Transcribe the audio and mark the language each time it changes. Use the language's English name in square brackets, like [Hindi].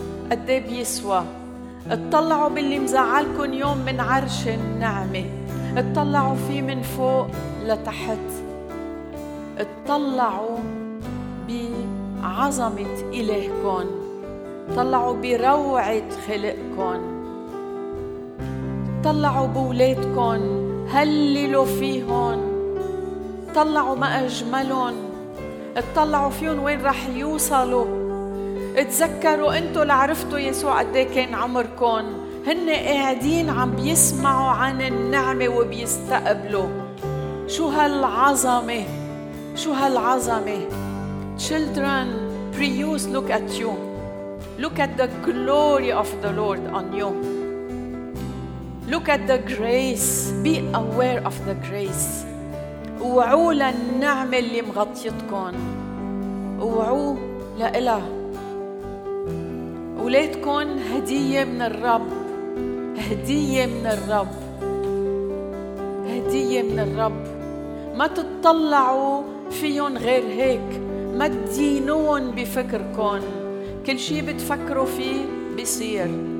[Arabic] قد ايه بيسوى؟ اتطلعوا باللي مزعلكم يوم من عرش النعمة، اتطلعوا فيه من فوق لتحت، اتطلعوا بعظمة إلهكم، اتطلعوا بروعة خلقكم، اتطلعوا بولادكم، هللوا فيهم، اتطلعوا ما أجملهم، اتطلعوا فيهم وين رح يوصلوا. اتذكروا انتو اللي عرفتوا يسوع قدي كان عمركم، هن قاعدين عم بيسمعوا عن النعمة وبيستقبلوا. شو هالعظمة، شو هالعظمة. [English] Children, priests, look at you. Look at the glory of the Lord on you. Look at the grace. Be aware of the grace. [Arabic] وعوا للنعمة اللي مغطيتكم. اوعوه لإله. أولادكن هدية من الرب، هدية من الرب، هدية من الرب. ما تتطلعوا فيهم غير هيك، ما تدينون بفكركن، كل شي بتفكروا فيه بيصير.